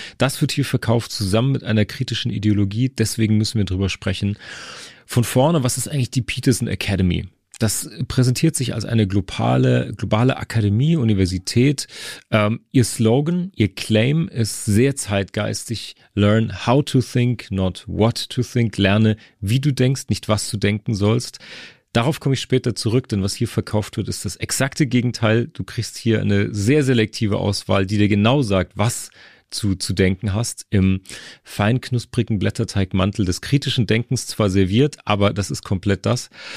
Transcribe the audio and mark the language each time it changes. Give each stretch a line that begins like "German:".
German: Das wird hier verkauft zusammen mit einer kritischen Ideologie, deswegen müssen wir drüber sprechen. Von vorne, was ist eigentlich die Peterson Academy? Das präsentiert sich als eine globale Akademie, Universität. Ihr Slogan, ihr Claim ist sehr zeitgeistig.
English: Learn how to think, not what to think.
German: Lerne, wie du denkst, nicht was du denken sollst. Darauf komme ich später zurück, denn was hier verkauft wird, ist das exakte Gegenteil. Du kriegst hier eine sehr selektive Auswahl, die dir genau sagt, was zu denken hast, im fein knusprigen Blätterteigmantel des kritischen Denkens zwar serviert, aber das ist komplett das.